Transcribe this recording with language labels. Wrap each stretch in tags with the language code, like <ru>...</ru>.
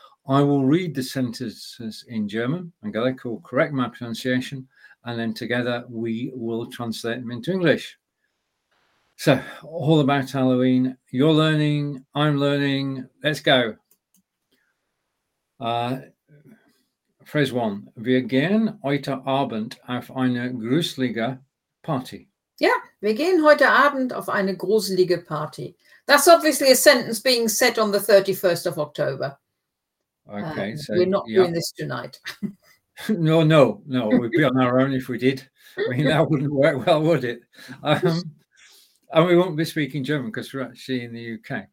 <en>I will read the sentences in German, Angelica will correct my pronunciation, and then together we will translate them into English. So, all about Halloween, you're learning, I'm learning, let's go. Phrase one,</en> <de>wir gehen heute Abend auf eine gruselige Party.</de> <en>Yeah,</en> <de>wir gehen heute Abend auf eine gruselige Party.</de> <en>That's obviously a sentence being said on the 31st of October. Okay, so we're not doing this tonight. No, we'd be on our own if we did. I mean, that wouldn't work well, would it? And we won't be speaking German because we're actually in the UK.</en>